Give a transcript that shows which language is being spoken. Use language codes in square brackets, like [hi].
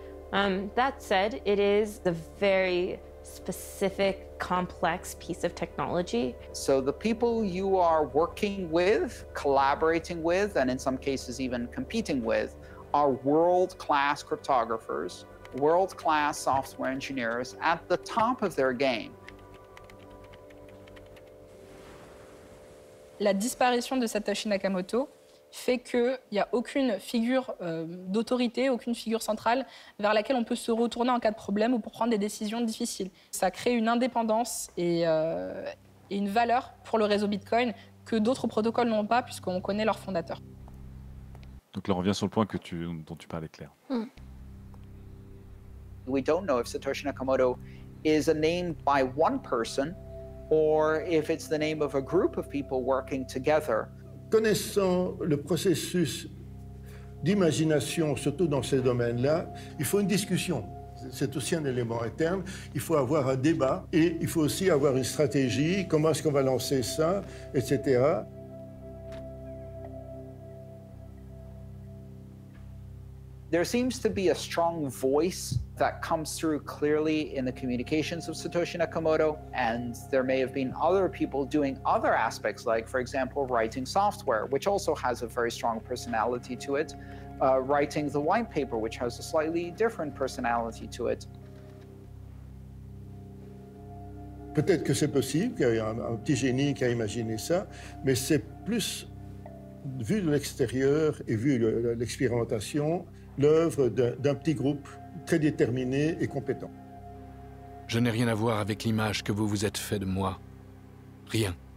[en] That said, it is a very specific, complex piece of technology. So the people you are working with, collaborating with, and in some cases even competing with, are world-class cryptographers, world-class software engineers at the top of their game. [fr] La disparition de Satoshi Nakamoto fait qu'il n'y a aucune figure d'autorité, aucune figure centrale vers laquelle on peut se retourner en cas de problème ou pour prendre des décisions difficiles. Ça crée une indépendance et une valeur pour le réseau Bitcoin que d'autres protocoles n'ont pas puisqu'on connaît leur fondateur. Donc là, on revient sur le point dont tu parlais, Claire. [en] We don't know if Satoshi Nakamoto is a name by one person or if it's the name of a group of people working together. [fr] connaissant le processus d'imagination, surtout dans ces domaines-là, il faut une discussion. C'est aussi un élément interne. Il faut avoir un débat et il faut aussi avoir une stratégie. Comment est-ce qu'on va lancer ça, etc. [en] There seems to be a strong voice that comes through clearly in the communications of Satoshi Nakamoto, and there may have been other people doing other aspects, like, for example, writing software, which also has a very strong personality to it, writing the white paper, which has a slightly different personality to it. [fr] Peut-être que c'est possible qu'il y ait un petit génie qui a imaginé ça, mais c'est plus vu de l'extérieur et vu l'expérimentation. L'œuvre d'un petit groupe très déterminé et compétent. Je n'ai rien à voir avec l'image que vous vous êtes fait de moi. Rien.